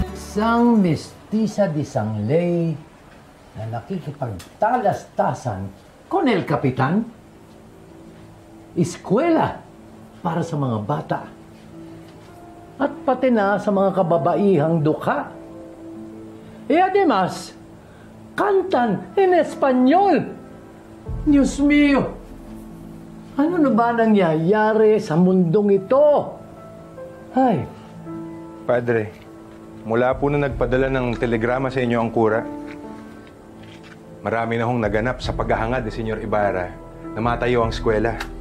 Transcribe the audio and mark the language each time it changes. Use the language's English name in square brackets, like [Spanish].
[Filipino] Isang mestiza di sangley na nakikipagtalastasan [Spanish] con el capitán. [Filipino] Eskwela para sa mga bata at pati na sa mga kababaihang duka. [Spanish] E además, cantan en español. Dios mío, [Filipino] ano na ba nangyayari sa mundong ito? Ay. Padre, mula po na nagpadala ng telegrama sa inyo ang kura, marami na hong naganap sa paghahangad ni Señor Ibarra na matayo ang eskwela.